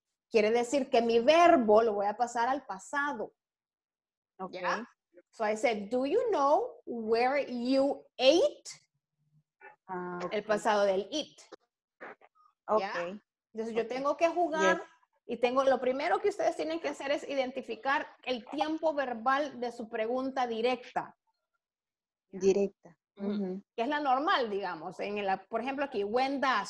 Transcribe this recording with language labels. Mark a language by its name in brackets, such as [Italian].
[Spanish] Quiere decir que mi verbo lo voy a pasar al pasado. [English] Okay. Yeah? So I said, do you know where you ate? Okay. [Spanish] El pasado del eat. [English] Okay. Yeah? [Spanish] Entonces, yo tengo que jugar y tengo lo primero que ustedes tienen que hacer es identificar el tiempo verbal de su pregunta directa. Directa. Que es la normal, digamos. En la, por ejemplo, aquí, [English] when does.